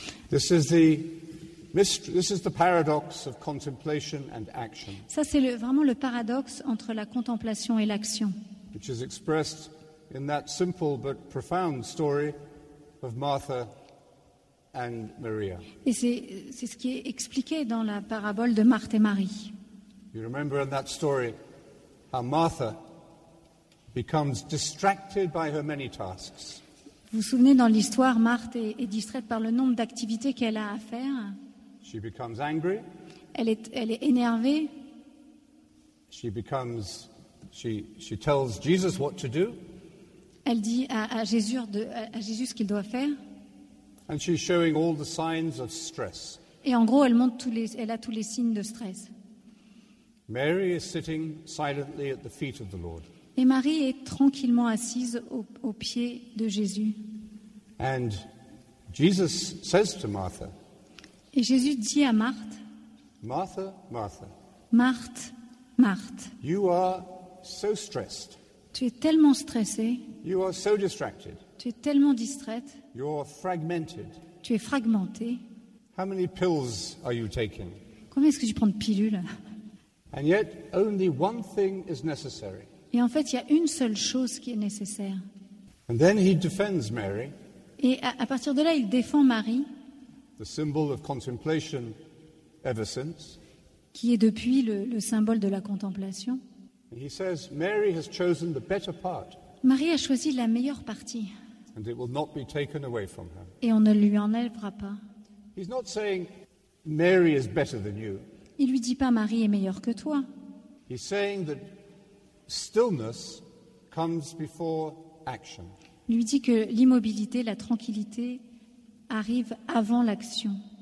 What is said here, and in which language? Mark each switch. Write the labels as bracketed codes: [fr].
[en] This is the paradox of contemplation and action. [fr] Ça c'est vraiment le paradoxe entre la contemplation et l'action. [en] Which is expressed in that simple but profound story of Martha and Maria. [fr] Et c'est ce qui est expliqué dans la parabole de Marthe et Marie. [en] You remember in that story how Martha becomes distracted by her many tasks. [fr] Vous vous souvenez dans l'histoire, Marthe est distraite par le nombre d'activités qu'elle a à faire. [en] She becomes angry. [fr] Elle est énervée. [en] She tells Jesus what to do. [fr] Elle dit à Jésus ce qu'il doit faire. [en] And she's showing all the signs of stress. [fr] Et en gros, elle a tous les signes de stress. [en] Mary is sitting silently at the feet of the Lord. [fr] Et Marie est tranquillement assise aux pieds de Jésus. [en] And Jesus says to Martha. [fr] Et Jésus dit à Marthe. [en] Martha, Martha. [fr] Marthe, Marthe. [en] You are so stressed. [fr] Tu es tellement stressée. [en] You are so distracted. [fr] Tu es tellement distraite. [en] You are fragmented. [fr] Tu es fragmentée. [en] How many pills are you taking? [fr] Combien est-ce que tu prends de pilules? [en] And yet, only one thing is necessary. [fr] Et en fait, il y a une seule chose qui est nécessaire. [en] And then he defends Mary. [fr] Et à partir de là, il défend Marie. [en] The symbol of contemplation ever since. [fr] Qui est depuis le symbole de la contemplation. [en] He says Mary has chosen the better part. [fr] Marie a choisi la meilleure partie. [en] And it will not be taken away from her. [fr] Et on ne lui enlèvera pas. [en] He's not saying Mary is better than you. [fr] Il lui dit pas Marie est meilleure que toi. [en] He's saying that stillness comes before action. [fr] Il lui dit que l'immobilité, la tranquillité arrive avant l'action.